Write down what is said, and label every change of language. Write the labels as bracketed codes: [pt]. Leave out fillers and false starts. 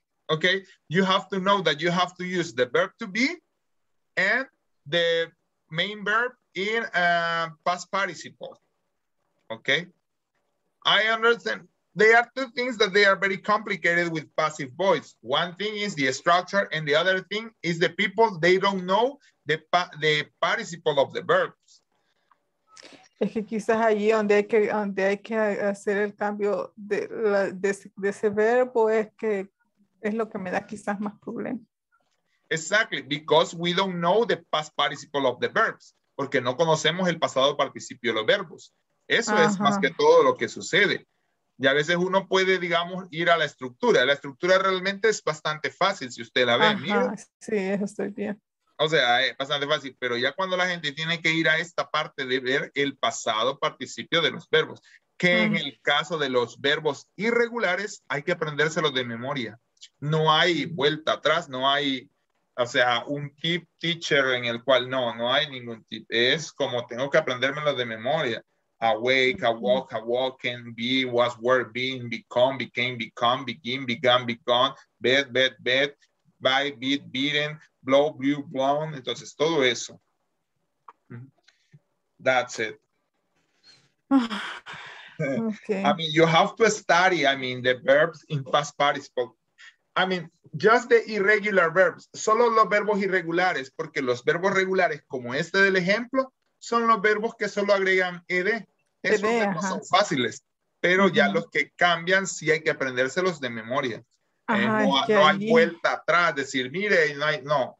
[en] Okay, you have to know that you have to use the verb to be and the main verb in a past participle. Okay, I understand. There are two things that they are very complicated with passive voice. One thing is the structure and the other thing is the people, they don't know the participle of the verbs. [es] Es que quizás allí donde hay que hacer el cambio de ese verbo es que es lo que me da quizás más problemas. [en] Exactly, because we don't know the past participle of the verbs. [es] Porque no conocemos el pasado participio de los verbos. Eso es más que todo lo que sucede. Y a veces uno puede, digamos, ir a la estructura. La estructura realmente es bastante fácil si usted la ve. Ajá, mira. Sí, eso estoy bien. O sea, es bastante fácil, pero ya cuando la gente tiene que ir a esta parte de ver el pasado participio de los verbos, que en el caso de los verbos irregulares, hay que aprendérselos de memoria. No hay vuelta atrás, no hay, o sea, un tip teacher en el cual no, no hay ningún tip. Es como tengo que aprendérmelos de memoria. [en] Awake, awoke, awoken, be, was, were, been, become, became, become, begin, began, begun, bed, bed, bed, by, beat, beaten, blow, blew, blown. [es] Entonces, todo eso. [en] That's it. Okay. I mean, you have to study, I mean, the verbs in past participle. I mean, just the irregular verbs. [es] Solo los verbos irregulares, porque los verbos regulares, como este del ejemplo, son los verbos que solo agregan ed. Esos son fáciles, pero ya los que cambian sí hay que aprendérselos de memoria. No hay vuelta atrás, decir, mire, no hay, no.